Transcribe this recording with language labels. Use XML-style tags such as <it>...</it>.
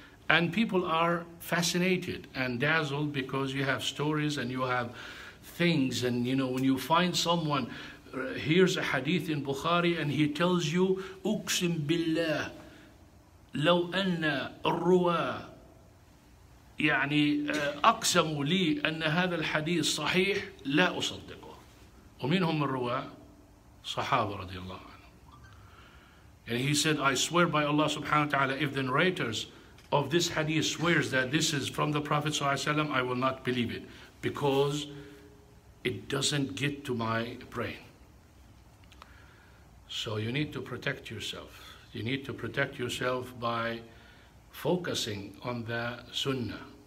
<en>And people are fascinated and dazzled because you have stories and you have things. And you know, when you find someone hears a hadith in Bukhari and he tells you,</en> <ar>uqsim billah law anna ar-ruwa يعني أقسموا لي أن هذا الحديث صحيح لا أصدقه. ومن هم الرواة؟ صحابة رضي الله عنهم.</ar> <en>And he said, I swear by Allah</en> <ar>subhanahu wa ta'ala,</ar> <en>if the narrators of this hadith swears that this is from the Prophet</en> <ar>sallallahu alayhi wa sallam,</ar> <en>I will not believe it because it doesn't get to my brain. So you need to protect yourself. You need to protect yourself by focusing on the sunnah.</en>